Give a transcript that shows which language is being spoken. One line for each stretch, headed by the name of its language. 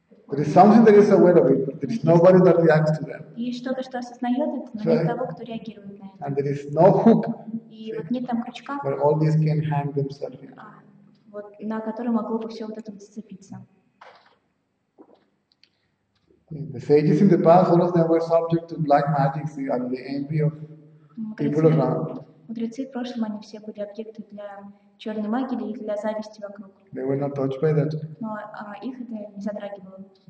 English: There is something that is aware of it, but there is nobody that reacts to that.
Russian: Есть что-то, что осознает это, но нет того, кто реагирует на это.
English: And there is no hook.
Russian: И вот нет там крючка.
English: Where all these can hang themselves. In.
Russian: Вот, на который могло бы все вот это вот зацепиться.
English: The sages in the past, all of them were subject to black magic, see, and the envy of people around.
Russian: Мудрецы в прошлом, они все были объекты для черной магии и для зависти вокруг.
English: They were not touched by that.
Russian: Но их это не затрагивало.